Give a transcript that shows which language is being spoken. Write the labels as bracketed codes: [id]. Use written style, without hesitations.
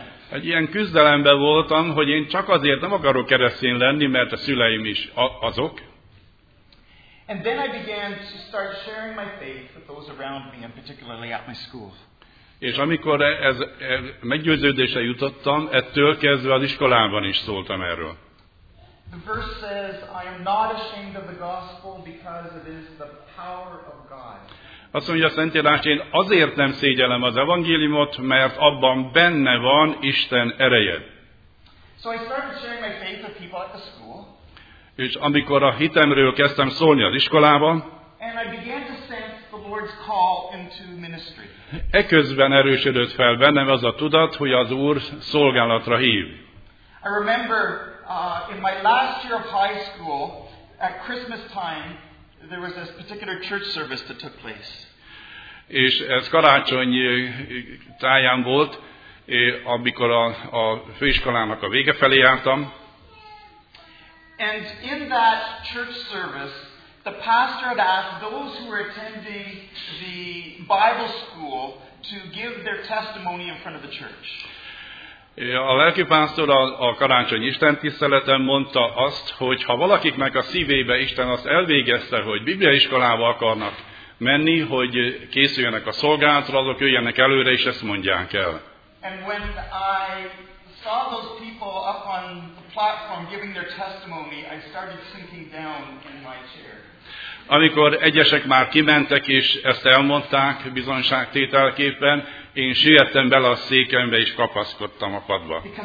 [hu] Egy ilyen küzdelemben voltam, hogy én csak azért nem akarok keresztény lenni, mert a szüleim is azok. [en] And then I began to start sharing my faith with those around me, and particularly at my school. [hu] És amikor ez meggyőződésre jutottam, ettől kezdve az iskolában is szóltam erről. [en] The verse says, I am not ashamed of the gospel because it is the power of God. [hu] Azt mondja a Szentírás, én azért nem szégyellem az evangéliumot, mert abban benne van Isten ereje. [en] So I started sharing my faith with people at the school. [hu] És amikor a hitemről kezdtem szólni az iskolában, [en] and I began to sense the Lord's call into ministry. [hu] Eközben erősödött fel bennem az a tudat, hogy az Úr szolgálatra hív. [en] I remember in my last year of high school, at Christmas time, there was this particular church service that took place. [hu] És ez karácsony táján volt, amikor a főiskolának a vége felé jártam. [en] And in that church service, the pastor had asked those who were attending the Bible school to give their testimony in front of the church. [hu] A lelkipásztor a karácsony istentiszteleten mondta azt, hogy ha valakiknek a szívébe Isten azt elvégezte, hogy bibliaiskolába akarnak menni, hogy készüljenek a szolgálatra, azok jöjjenek előre, és ezt mondják el. [en] And when I saw those people up on the platform giving their testimony, I started sinking down in my chair. [hu] Amikor egyesek már kimentek és ezt elmondták bizonyságtételképpen, én siettem bele a székembe és kapaszkodtam a padba.